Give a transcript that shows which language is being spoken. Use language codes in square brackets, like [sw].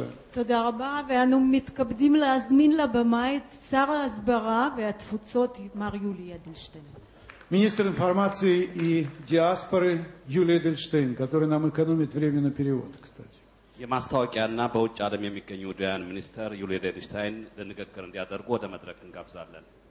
[he] תודה רבה, ואנו מתכבדים להזמין לבמה את שר ההסברה והתפוצות מר יולי אדלשטיין. [ru] министр информации и диаспоры יולי אדלשטיין, который нам экономит время на перевод, кстати. [am] የማስተዋቂያና በውጭ ዓለም የሚገኙ ዲያን ሚኒስተር יולי אדלשטיין ለንግግር እንዲያደርጉ ወደ መድረክ እንጋብዛለን።